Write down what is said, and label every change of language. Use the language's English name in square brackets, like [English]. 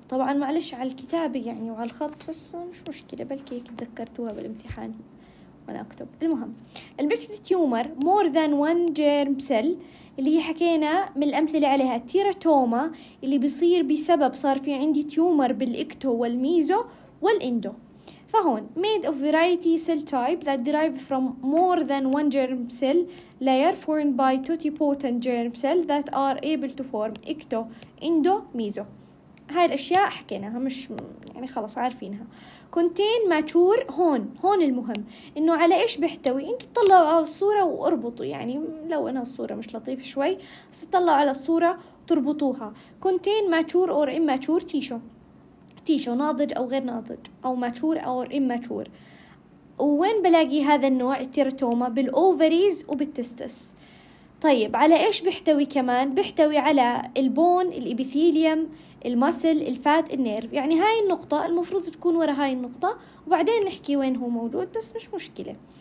[Arabic] طبعا معلش على الكتابه يعني وعلى الخط، بس مش مشكله بلكي تذكرتوها بالامتحان وانا اكتب. المهم الميكس تيومر مور ذان وان جيرم سيل اللي هي حكينا من الأمثلة عليها تيراتوما اللي بيصير بسبب صار في عندي تيومر بالإكتو والميزو والإندو. فهون [English] made of variety cell type that derived from more than one germ cell layer formed by totipotent germ cell that are able to form ecto endo meso. [Arabic] هاي الأشياء حكيناها مش يعني خلاص عارفينها. [English] contain mature، [Arabic] هون المهم انه على ايش بيحتوي. انتوا تطلعوا على الصورة واربطوا، يعني لو انا الصورة مش لطيفة شوي بس تطلعوا على الصورة وتربطوها. [English] contain mature or immature tissue [Arabic] ناضج او غير ناضج، او [English] mature or immature. [Arabic] وين بلاقي هذا النوع التيراتوما؟ بالأوفريز وبالتستس. طيب على ايش بيحتوي كمان؟ بيحتوي على البون، الإبيثيليوم، المسل، الفات، النيرف. يعني هاي النقطة المفروض تكون ورا هاي النقطة وبعدين نحكي وين هو موجود، بس مش مشكلة.